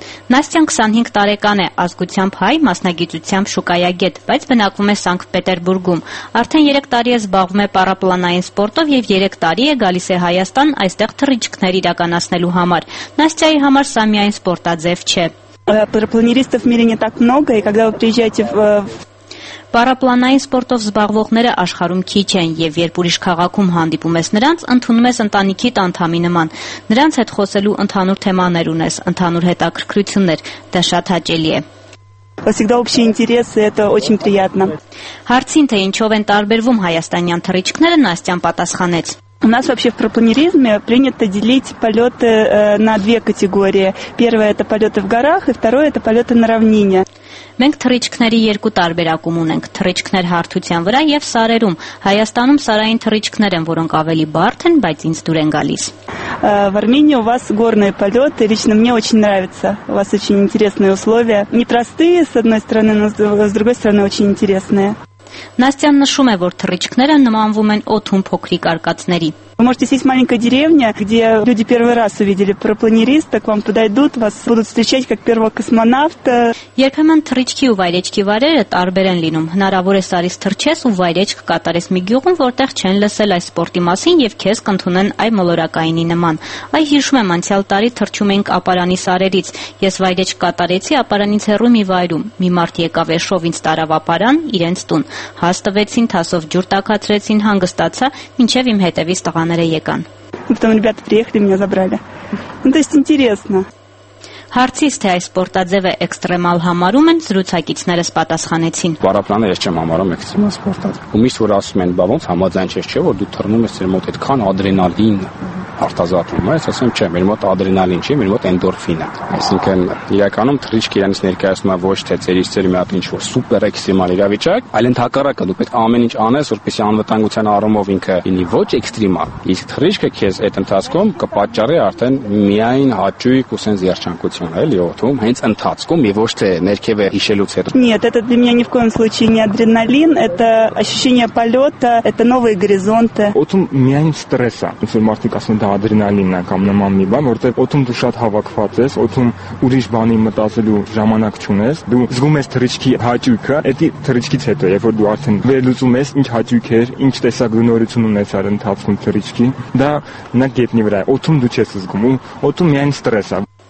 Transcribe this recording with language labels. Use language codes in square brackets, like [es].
[hy] Նաստյան 25 տարեկան է, ազգությամբ հայ, մասնագիտությամբ շուկայագետ, բայց բնակվում է Սանկտ Պետերբուրգում։ Արդեն 3 տարի է զբաղվում է պարապլանային սպորտով եւ 3 տարի է գալիս է Հայաստան այստեղ թռիչքներ իրականացնելու համար։ Նաստյայի համար սա միայն սպորտաձև չէ։ Պարապլանիստով մի քանի [ru] так много, и когда вы приезжаете в [hy] Պարապլանային սպորտով զբաղվողները աշխարում քիչ են, եւ երբ ուրիշ քաղաքում հանդիպում ես նրանց, ընդունում ես ընտանիքի տանտամի նման։ Նրանց հետ խոսելու ընդհանուր թեմաներ ունես, ընդհանուր հետաքրքրություններ, դա շատ հաճելի է։ [ru] Всегда общий интерес, это очень приятно։ [hy] Հարցին, թե ինչով են տարբերվում հայաստանյան թռիչքները, Նաստյան պատասխանեց։ [ru] У нас вообще в пропланиризме принято делить полёты на две категории. Первое это полёты в горах, и второе это полёты на равнине. [hy] Մենք թռիչքների երկու տարբերակում ունենք՝ թռիչքներ հարթության վրա եւ սարերում։ Հայաստանում սարային թռիչքներ են, որոնք ավելի բարդ են, բայց ինձ դուր են գալիս։ [ru] В Армении у вас горные полёты, лично мне очень нравится. У вас очень интересные условия, непростые с одной стороны, но с другой стороны очень интересные. [hy] Նաստյան նշում է, որ թռիչքները նմանվում են օդում փոքրիկ արկածների։ [ru] Вы можете сесть в маленькой деревне, где люди первый раз увидели парапланериста, к вам подойдут, вас будут встречать как первого космонавта. [hy] Երբեմն թռիչքի ու վայրեջքի վարերը տարբեր են լինում։ Հնարավոր է սարից թռչես ու վայրեջք կատարես մի գյուղում, որտեղ չեն լսել այս սպորտի մասին եւ քեզ կընդունեն այ մոլորակայինի նման։ Այ հիշում եմ անցյալ տարի թռչում էինք ապարանի սարերից։ Ես վայրեջք կատարեցի ապարանից հեռու մի վայրում։ Մի մարդ եկավ եշով ինձ տարավ ապարան իրենց տուն։ Հաստվեցին, թասով ջուր տակացրեցին, հանգստացա, մինչեւ իմ հետևից տղան եկան։ [ru] Потом ребята приехали, меня забрали. Ну, то есть интересно. [hy] Հարցիս, թե այս սպորտաձևը էքստրեմալ համարում են, զրուցակիցներս պատասխանեցին։ Պարապլանը ես չեմ համարում էքստրեմալ սպորտաձև։ Ու միշտ որ ասում են, բա ոնց համաձայն չես, չէ՞, որ դու թռնում ես, ձեր մոտ այդքան ադրենալին արտազատվում է, ասեմ, չէ, մեր մոտ ադրենալին չի, մեր մոտ էնդորֆինն է։ Այսինքն, իրականում թռիչքը իրենից ներկայացնում է ոչ թե ծերից ծերի մի հատ ինչ-որ սուպեր էքստրեմալ իրավիճակ, այլ ընդհակառակը դու պետք է ամեն ինչ անես, որպեսզի անվտանգության առումով ինքը լինի ոչ էքստրեմալ, իսկ թռիչքը քեզ այդ ընթացքում կպատճառի արդեն միայն հաճույք ու սենս երջանկություն, էլի օդում, հենց ընթացքում եւ ոչ թե ներքև է հիշելուց հետո։ [ru] Нет, это для меня ни в коем случае не адреналин, это ощущение полёта, это новые горизонты. [hy] Օդում միայն ստրեսը, ինչ-որ մարդիկ ասում դա ադրենալինն է կամ նման մի բան, որտեղ օդում դու շատ հավաքված ես, օդում ուրիշ բանի մտածելու ժամանակ չունես, դու զգում ես թռիչքի հաճույքը, դա թռիչքից հետո, երբ որ դու արդեն վերլուծում ես, ինչ հաճույք էր, ինչ տեսակ գնորություն ունես արդեն ընթացքում թռիչքի, դա նկետնի վրա, օդում դու չես զգում, օդում միայն ստրեսը։